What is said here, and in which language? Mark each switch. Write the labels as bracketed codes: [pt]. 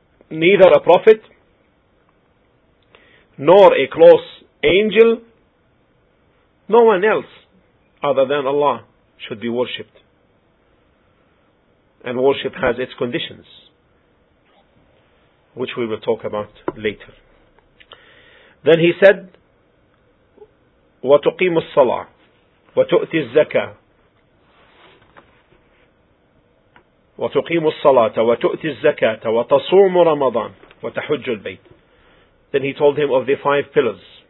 [en] Neither a prophet, nor a close angel, no one else other than Allah should be worshipped. And worship has its conditions, which we will talk about later. Then he said, [ar] وَتُقِيمُ الصَّلَاةِ وَتُؤْتِ الزَّكَاةِ وَتُقِيمُ الصَّلَاةَ وَتُؤْتِ الزَّكَاةَ وَتَصُومُ رَمَضَانَ وَتَحُجُّ الْبَيْتِ. [en] Then he told him of the five pillars.